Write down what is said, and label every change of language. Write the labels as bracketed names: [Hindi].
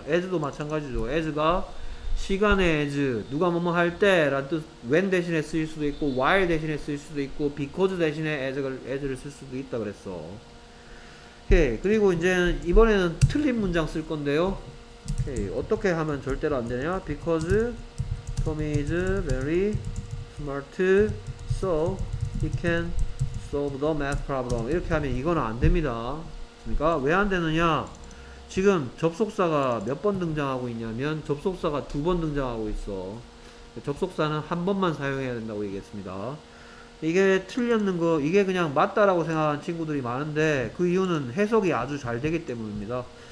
[Korean] as도 마찬가지죠. as가 시간의 as, 누가 뭐뭐 할 때 라는 뜻, when 대신에 쓰일 수도 있고 while 대신에 쓰일 수도 있고 because 대신에 as를 쓸 수도 있다 그랬어. Okay. 그리고 이제 이번에는 틀린 문장 쓸 건데요. Okay. 어떻게 하면 절대로 안 되냐? [English] because Tommy is very smart, so he can solve the math problem. [Korean] 이렇게 하면 이건 안 됩니다. 그러니까 왜 안 되느냐? 지금 접속사가 몇 번 등장하고 있냐면 접속사가 두 번 등장하고 있어. 접속사는 한 번만 사용해야 된다고 얘기했습니다. 이게 틀렸는 거, 이게 그냥 맞다라고 생각하는 친구들이 많은데 그 이유는 해석이 아주 잘 되기 때문입니다.